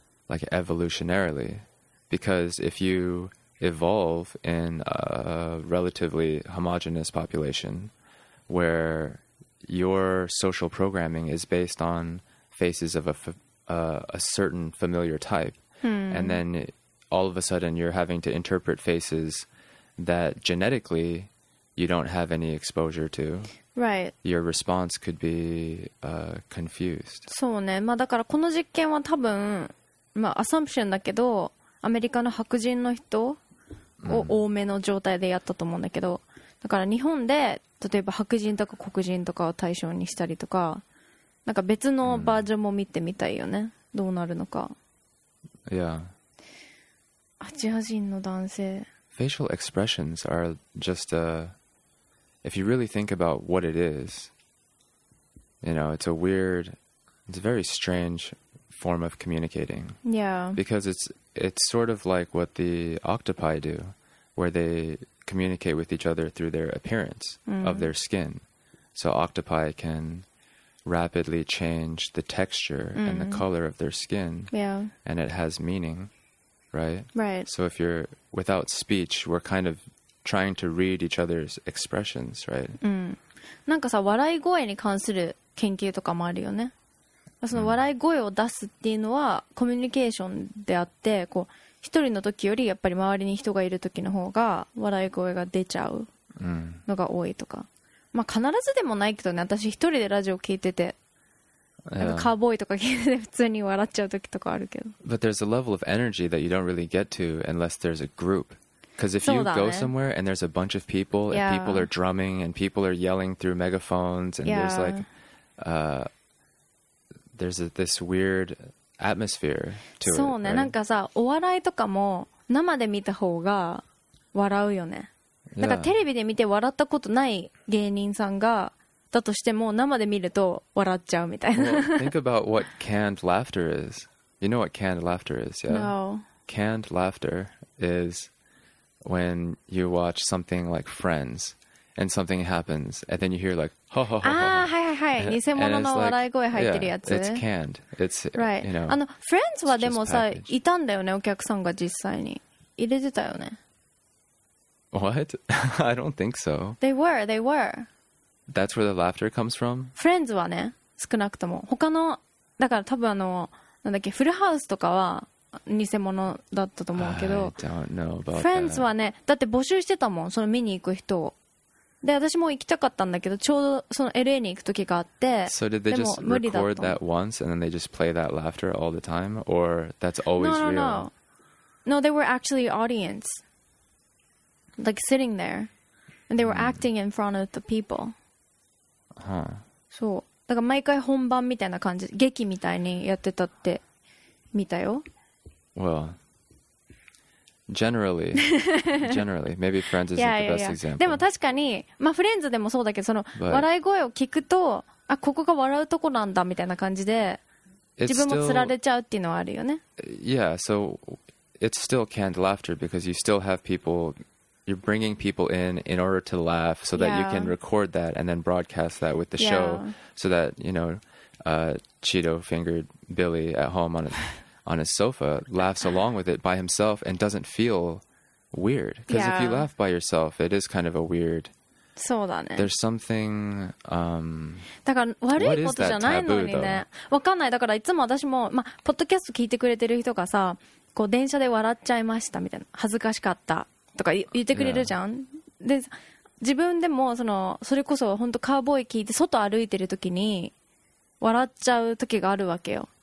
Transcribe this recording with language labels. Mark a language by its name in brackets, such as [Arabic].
[English] Like evolutionarily, because if you evolve in a relatively homogeneous population where your social programming is based on faces of a certain familiar type, and then all of a sudden you're having to interpret faces that genetically you don't have any exposure to. Right. Your response could be confused. [Japanese] そうね。まあだからこの実験は多分、まあ、アサンプションだけど、アメリカの白人の人を多めの状態でやったと思うんだけど、だから日本で例えば白人とか黒人とかを対象にしたりとか、なんか別のバージョンも見てみたいよね、どうなるのか。いや、アジア人の男性、 [English] facial expressions are just a if you really think about what it is, You know, it's a weird, it's a very strange form of communicating. Yeah. Because it's sort of like what the octopi do, where they communicate with each other through their appearance of their skin. So octopi can rapidly change the texture and the color of their skin. Yeah. And it has meaning, right? Right. So if you're without speech, we're kind of trying to read each other's expressions, right? Mm. [Japanese] なんかさ、笑い声に関する研究とかもあるよね。その笑い声を出すっていうのはコミュニケーションであって、こう一人の時よりやっぱり周りに人がいる時の方が笑い声が出ちゃうのが多いとか。まあ必ずでもないけどね、私一人でラジオ聞いてて、なんかカーボーイとか聞いてて普通に笑っちゃう時とかあるけど。 [English] But there's a level of energy that you don't really get to unless there's a group. Because if you go somewhere and there's a bunch of people and people are drumming and people are yelling through megaphones and there's like, there's a, this weird atmosphere to it. [Japanese] そうね、 [English] right? [Japanese] なんかさ、お笑いとかも生で見た方が笑うよね。なんかテレビで見て笑ったことない芸人さんがだとしても生で見ると笑っちゃうみたいな。 [English] Well, think about what canned laughter is. You know what canned laughter is, yeah? No. Canned laughter is... When you watch something like Friends and something happens and then you hear like, ho ho ho. Ah, hi, hi, hi. [Japanese] 偽物の笑い声入ってるやつ。 [English] It's canned. It's, right. You know, [Japanese] あの、Friends はでもさ、いたんだよね、お客さんが実際に。入れてたよね。 [English] What? I don't think so. They were. That's where the laughter comes from? [Japanese] Friends はね、少なくとも。他の、だから多分あの、なんだっけ、フルハウスとかは、偽物だったと思うけど、Friends はね、だって募集してたもん、その見に行く人を。で、私も行きたかったんだけど、ちょうどその LA に行く時があって、 [English] so、did they [Japanese] でも無理だった。 [English] So did they just record that once and then they just play that laughter all the time, or that's always no, no, real? No, no, no. They were actually audience, like sitting there, and they were acting in front of the people. Huh. [Japanese] そう。だから毎回本番みたいな感じ、劇みたいにやってたって見たよ。 [English] Well, generally, maybe Friends isn't yeah, the best yeah, yeah. example. [Japanese] でも確かに、まあ、Friends でもそうだけど、その笑い声を聞くと、あ、ここが笑うとこなんだみたいな感じで、自分も釣られちゃうっていうのはあるよね。 [English] Yeah, so it's still canned laughter because you still have people, you're bringing people in order to laugh so that you can record that and then broadcast that with the show so that, you know, Cheeto-fingered Billy at home on it. on his sofa, laughs along with it by himself and doesn't feel weird. Because if you laugh by yourself, it is kind of a weird... [Japanese] そうだね。 [English] There's something... [Japanese] だから悪いことじゃないのにね。わかんない。だからいつも私も、まあ、ポッドキャスト聞いてくれてる人がさ、こう電車で笑っちゃいましたみたいな。恥ずかしかったとか言ってくれるじゃん。で、自分でもその、それこそ本当カーボーイ聞いて外歩いてる時に笑っちゃう時があるわけよ。